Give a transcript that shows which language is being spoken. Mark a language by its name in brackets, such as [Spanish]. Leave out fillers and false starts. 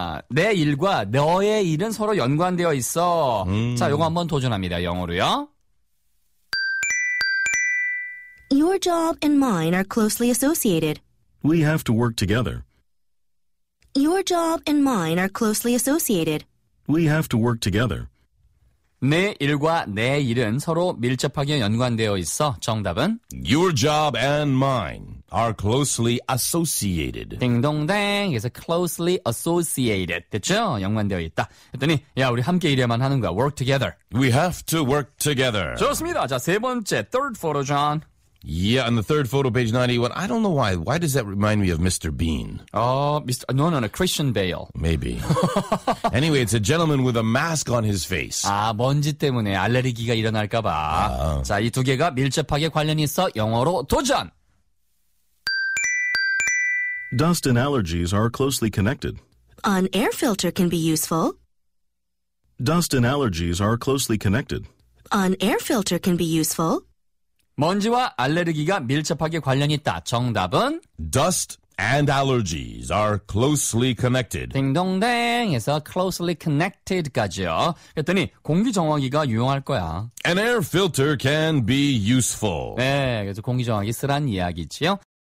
[Korean] 내 일과 너의 일은 서로 연관되어 있어. 자, 이거 한번 도전합니다. 영어로요. [English] Your job and mine are closely associated. We have to work together. Your job and mine are closely associated. We have to work together. [Korean] 내 일과 내 일은 서로 밀접하게 연관되어 있어. 정답은 [English] Your job and mine are closely associated. [Korean] 딩동댕. 그래서 [English] closely associated. [Korean] 됐죠? 연관되어 있다. 그랬더니 야, 우리 함께 일해야만 하는 거야. [English] Work together. We have to work together. [Korean] 좋습니다. 자, 세 번째. [English] Third photo, John. Yeah, on the third photo, page 91. I don't know why. Why does that remind me of Mr. Bean? Oh, no, Christian Bale. Maybe. Anyway, it's a gentleman with a mask on his face. [Korean] 아, 먼지 때문에 알레르기가 일어날까 봐. 자, 이 두 개가 밀접하게 관련이 있어 영어로 도전! [English] Dust and allergies are closely connected. An air filter can be useful. Dust and allergies are closely connected. An air filter can be useful. [Korean] 먼지와 알레르기가 밀접하게 관련이 있다. 정답은 [English] Dust and allergies are closely connected. [Korean] 딩동댕에서 [English] closely connected [Korean] 까지요. 그랬더니 공기 정화기가 유용할 거야. [English] An air filter can be useful. [Korean] 네, 그래서 공기 정화기 쓰란 이야기지요.